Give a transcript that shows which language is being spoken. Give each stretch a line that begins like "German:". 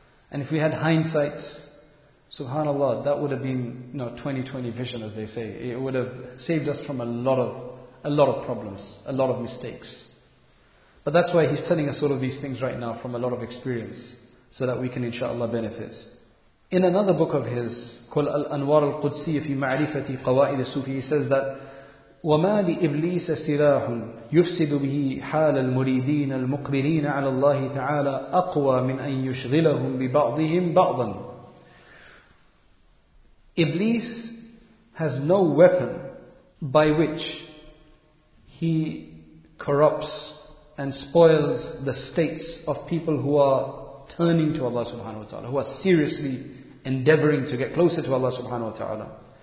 English: And if we had hindsight, SubhanAllah, that would have been, you know, 20/20 vision, as they say. It would have saved us from a lot of problems, a lot of mistakes. But that's why he's telling us all of these things right now from a lot of experience, so that we can inshaAllah benefit. In another book of his, called Al-Anwar Al-Qudsi Fi Ma'rifati Qawa'id Al-Sufi, he says that
Arabic: وَمَا لِإِبْلِيسَ سِرَاحٌ يُفْسِدُ بِهِ حَالَ الْمُرِيدِينَ الْمُقْبِرِينَ عَلَى اللَّهِ تَعَالَى أَقْوَى مِنْ أَن يُشْغِلَهُمْ بِبَعْضِهِمْ بَعْضًا.
English: Iblis has no weapon by which he corrupts and spoils the states of people who are turning to Allah subhanahu wa ta'ala, who are seriously endeavoring to get closer to Allah subhanahu wa ta'ala.